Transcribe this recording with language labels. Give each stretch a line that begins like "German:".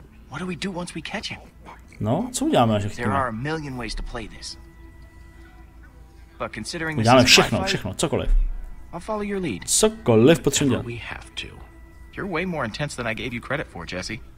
English: What do we do once we catch him?
Czech: No, co uděláme, že chceme?
English: There are a million ways to play this. But considering
Czech: uděláme všechno, všechno, cokoliv.
English: I'll follow your lead.
Czech: Cokoliv potřebujeme dělat.
English: We have to. You're way more intense than I gave you credit for, Jesse.